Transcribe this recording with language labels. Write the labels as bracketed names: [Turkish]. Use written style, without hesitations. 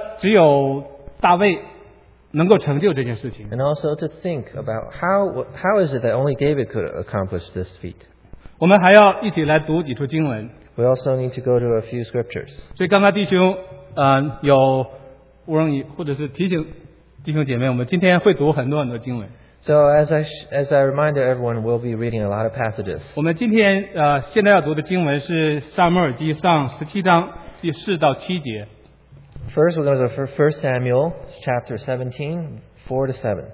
[Chinese] 我们也看一起来思想一下为什么只有大卫 能够成就这件事情。 [English] And also to think about how is it that only David could accomplish this feat. [Chinese] 我们还要一起来读几处经文。 [English] We also need to go to a few scriptures. [Chinese] 所以刚刚弟兄有无论或者是提醒弟兄姐妹我们今天会读很多很多经文。 [English] So as I remind everyone, we'll be reading a lot of passages. [Chinese] 我们今天现在要读的经文是撒母耳记上17章第4到7节。 [English] First, we're going to go to 1 Samuel chapter 17, 4 to 7.